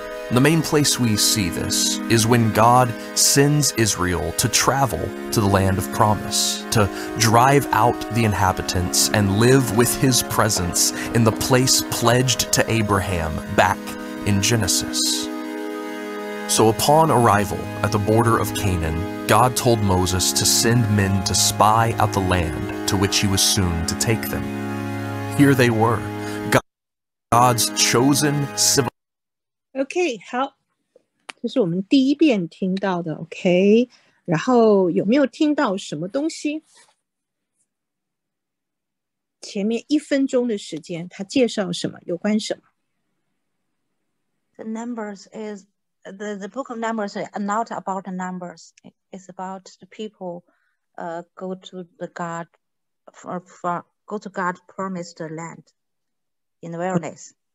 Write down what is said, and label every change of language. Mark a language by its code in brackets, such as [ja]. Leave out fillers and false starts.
[en] The main place we see this is when God sends Israel to travel to the land of promise, to drive out the inhabitants and live with his presence in the place pledged to Abraham back in Genesis. So upon arrival at the border of Canaan, God told Moses to send men to spy out the land to which he was soon to take them. Here they were, God's chosen civilization. [zh] OK，好，这是我们第一遍听到的。 OK，然后有没有听到什么东西？前面一分钟的时间，他介绍什么？有关什么 [en] ？The numbers is the book of numbers are not about the numbers. It's about the people, go to the God for go to God promised land in the wilderness.